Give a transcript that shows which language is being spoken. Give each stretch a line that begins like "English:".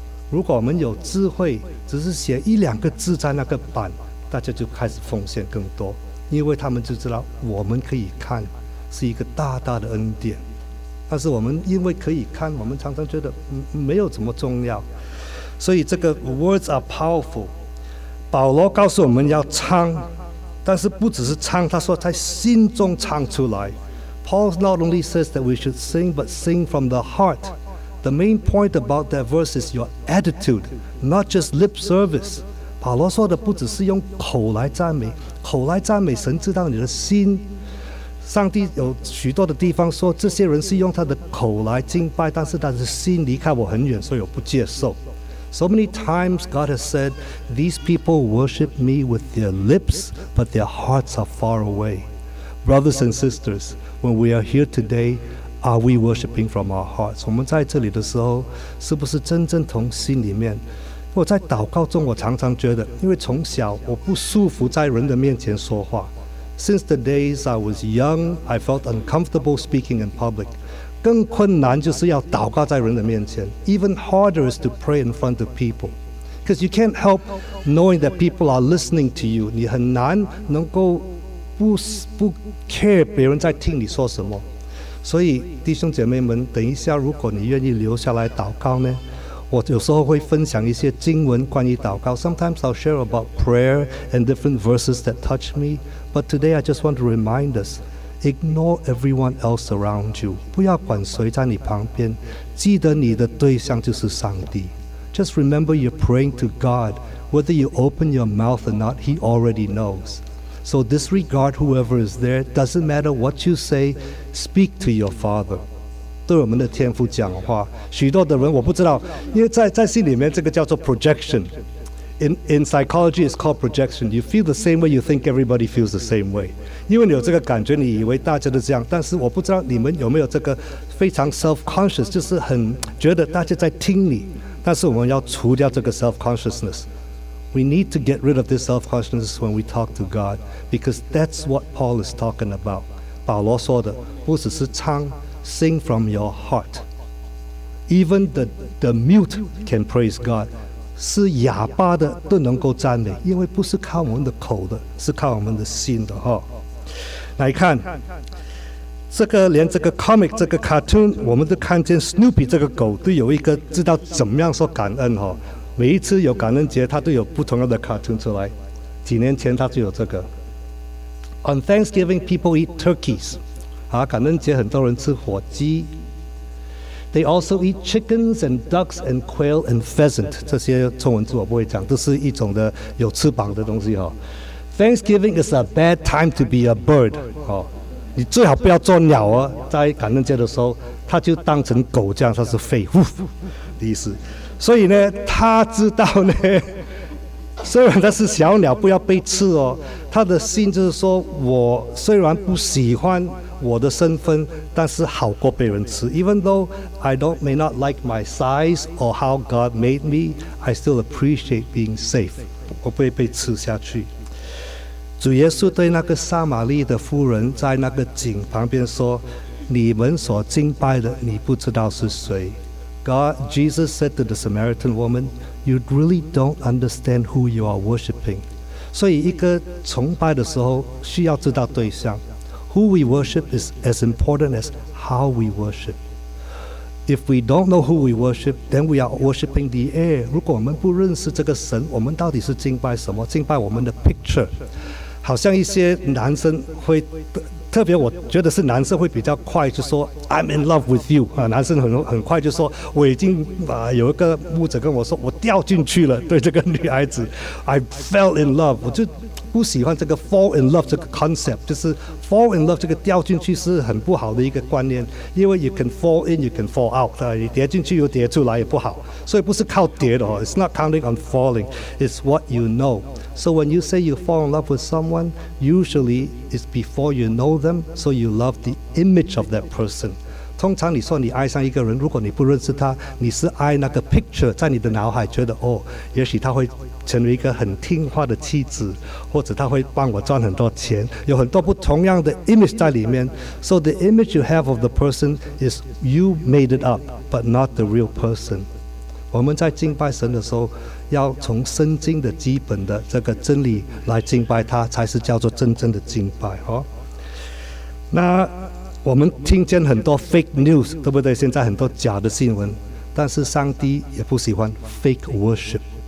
Chinese: 如果我们有智慧，只是写一两个字在那个板，大家就开始奉献更多，因为他们就知道我们可以看，是一个大大的恩典。但是我们因为可以看，我们常常觉得没有怎么重要，所以这个
English: words are powerful。
Chinese: 保罗告诉我们要唱，但是不只是唱，他说在心中唱出来。
English: Paul not only says that we should sing but sing from the heart. The main point about that verse is your attitude, not just lip service.
Chinese: 保罗说的不只是用口来赞美，口来赞美神知道你的心。上帝有许多的地方说这些人是用他的口来敬拜，但是他的心离开我很远，所以我不接受。
English: So many times God has said these people worship me with their lips but their hearts are far away. Brothers and sisters, when we are here today, are we worshiping from our hearts?
Chinese: 我们在这里的时候是不是真正从心里面。我在祷告中我常常觉得，因为从小我不舒服在人的面前说话。
English: Since the days I was young, I felt uncomfortable speaking in public.
Chinese: 更困难就是要祷告在人的面前。
English: Even harder is to pray in front of people. Because you can't help knowing that people are listening to you.
Chinese: 你很难能够 不 care 别人在听你说什么。所以弟兄姐妹们，等一下如果你愿意留下来祷告呢，我有时候会分享一些经文关于祷告。
English: Sometimes I'll share about prayer and different verses that touch me. But today I just want to remind us, Ignore everyone else around you. 不要管谁在你旁边，记得你的对象就是上帝。 Just remember you're praying to God. Whether you open your mouth or not, He already knows. So disregard whoever is there. Doesn't matter what you say. Speak to your Father.
Chinese: 对我们的天父讲话。许多的人我不知道，因为在心里面这个叫做 projection。
English: In psychology, it's called projection. You feel the same way, you think everybody feels the same way.
Chinese: 因为你有这个感觉，你以为大家都这样。但是我不知道你们有没有这个非常 self-conscious， 就是很觉得大家在听你。但是我们要除掉这个 self-consciousness.
English: We need to get rid of this self-consciousness when we talk to God, because that's what Paul is talking about.
Chinese: 保罗说的，不只是唱，
English: sing from your heart. Even the mute can praise God.
Chinese: 是哑巴的都能够赞美，因为不是靠我们的口的，是靠我们的心的哈。来看这个，连这个 comic 这个 cartoon， 我们都看见 Snoopy 这个狗都有一个知道怎么样说感恩哈。每一次有感恩节，它都有不同的 cartoon 出来。几年前它就有这个。
English: On Thanksgiving, people eat turkeys.
Chinese: 啊，感恩节很多人吃火鸡。
English: They also eat chickens and ducks and quail and pheasant.
Chinese: 这些中文字我不会讲，都是一种的有翅膀的东西哦。
English: Thanksgiving is a bad time to be a bird.
Chinese: 哦，你最好不要做鸟哦。在感恩节的时候，他就当成狗这样，他是废物的意思。所以呢，他知道呢，虽然他是小鸟，不要被吃哦。他的心就是说，我虽然不喜欢。我的身份，但是好过被人吃。
English: Even though I don't may not like my size or how God made me, I still appreciate being safe.
Chinese: 我不会被吃下去。主耶稣对那个撒玛利的妇人在那个井旁边说：“你们所敬拜的，你不知道是谁。”
English: God Jesus said to the Samaritan woman, "You really don't understand who you are worshiping."
Chinese: 所以，一个崇拜的时候需要知道对象。
English: Who we worship is as important as how we worship. If we don't know who we worship, then we are worshiping the air.
Chinese: 如果我们不认识这个神，我们到底是敬拜什么？敬拜我们的 picture. 好像一些男生会，特别我觉得是男生会比较快就说
English: I'm in love with you.
Chinese: 男生很快就说我已经有一个牧者跟我说我掉进去了，对这个女孩子
English: I fell in love.
Chinese: 我就不喜欢这个 fall in love 这个 concept， 就是 fall in love 这个掉进去是很不好的一个观念，因为
English: you can fall in, you can fall out，
Chinese: 你跌进去又跌出来也不好，所以不是靠跌的哦。
English: It's not counting on falling, it's what you know. So when you say you fall in love with someone, usually it's before you know them, so you love the image of that person.
Chinese: 通常你说你爱上一个人，如果你不认识他，你是爱那个 picture 在你的脑海，觉得哦，也许他会。成为一个很听话的妻子，或者他会帮我赚很多钱，有很多不同样的 image 在里面。
English: So the image you have of the person is you made it up, but not the real person.
Chinese: 我们在敬拜神的时候，要从圣经的基本的这个真理来敬拜他，才是叫做真正的敬拜。哦，那我们听见很多 fake news， 对不对？现在很多假的新闻，但是上帝也不喜欢 fake worship。